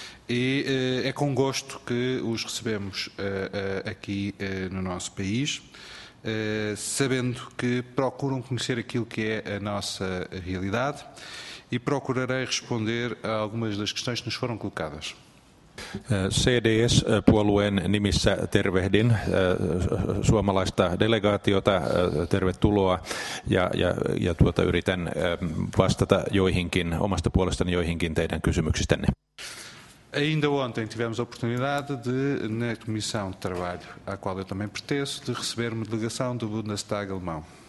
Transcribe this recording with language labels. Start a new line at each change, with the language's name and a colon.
Portuguese: E é com gosto que os recebemos aqui no nosso país, sabendo que procuram conhecer aquilo que é a nossa realidade. E procurarei responder a algumas das questões que nos foram colocadas.
Finnish: CDS-puolueen nimissä tervehdin suomalaista delegaatiota, tervetuloa, ja yritän vastata joihinkin, omasta puolestani joihinkin teidän kysymyksistänne.
Portuguese: Ainda ontem tivemos a oportunidade de, na Comissão de Trabalho, à qual eu também pertenço, de receber uma delegação do Bundestag alemão.